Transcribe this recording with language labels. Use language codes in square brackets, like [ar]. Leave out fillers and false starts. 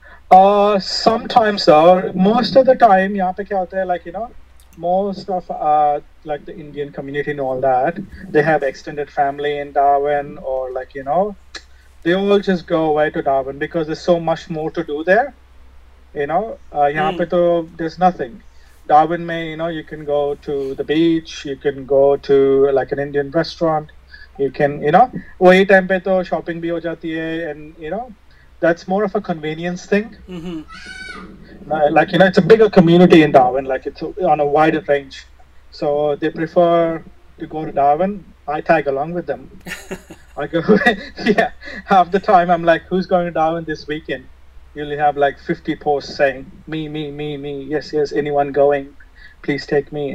[en] Sometimes though. Most of the time, [hi] yahan pe kya hota hai, [en] like, you know, most of like the Indian community and all that, they have extended family in Darwin, or, like, you know, they all just go away to Darwin because there's so much more to do there. [hi] यहाँ पे तो [en] There is nothing. Darwin में you know you can go to the beach, you can go to like an Indian restaurant, you can you know [hi] वही time पे तो shopping भी हो जाती है. [en] And you know that's more of a convenience thing. Like, you know, it's a bigger community in Darwin, like it's on a wider range. So they prefer to go to Darwin. I tag along with them. I go, yeah, half the time I'm like, who's going to Darwin this weekend? You'll have like 50 posts saying, me, yes, yes, anyone going, please take me.